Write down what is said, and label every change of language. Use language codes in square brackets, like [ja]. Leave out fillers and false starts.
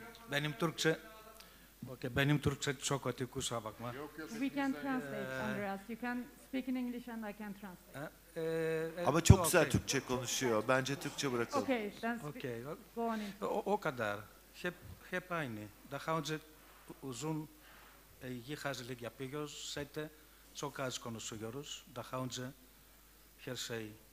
[tr] Benim Türkçe, okay, benim Türkçe çok kötü, kusura bakma. [en] We can translate, Andreas. You can speak in English and I can translate. [tr] Ama çok güzel okay. Türkçe konuşuyor. Bence Türkçe bırakalım. [en] Okay, then speak. Okay. Go on. [tr] O kadar. Hep aynı. Daha önce uzun iyi hazırlık yapıyoruz. Sette çok az konuşuyoruz. Daha önce her şey